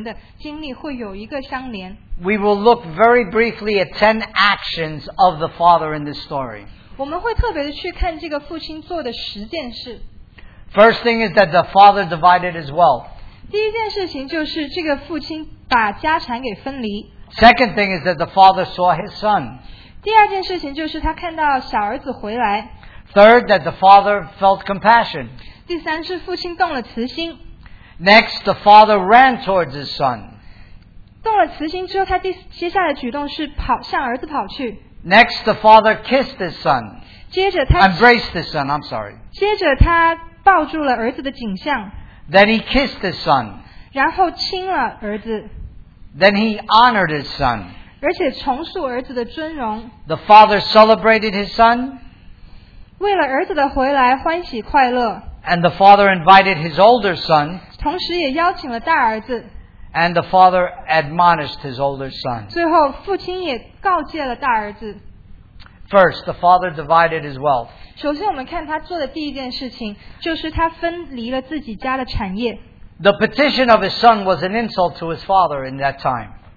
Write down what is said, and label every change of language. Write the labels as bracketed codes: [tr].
[zh] 无论讲到父亲这个角色给你带来的是一个什么样的图画，今天我们要看的这个父亲的角色，肯定也会跟我们个人的经历会有一个相连。 [en] We will look very briefly at 10 actions of the Father in this story. [zh] 我们会特别的去看这个父亲做的十件事。 [en] First thing is that the Father divided his wealth. [zh] 第一件事情就是这个父亲把家产给分离。 [en] Second thing is that the father saw his son. [zh] 第二件事情就是他看到小儿子回来。 [en] Third, that the father felt compassion. [zh] 第三是父亲动了慈心。 [en] Next, the father ran towards his son. [zh] 动了慈心之后，他接下来举动是跑向儿子跑去。 [en] Next, the father kissed his son. [zh] 接着他 [en] embraced his son. I'm sorry. [zh] 接着他抱住了儿子的景象。 [en] Then he kissed his son. [zh] 然后亲了儿子。 [en] Then he honored his son. [zh] 而且重塑儿子的尊荣。 [en] The father celebrated his son. [zh] 为了儿子的回来欢喜快乐。 [en] And the father invited his older son. [zh] 同时也邀请了大儿子。 [en] And the father admonished his older son. [zh] 最后父亲也告诫了大儿子。 [en] First, the father divided his wealth. [zh] 首先我们看他做的第一件事情，就是他分离了自己家的产业。 [en] The petition of his son was an insult to his father in that time.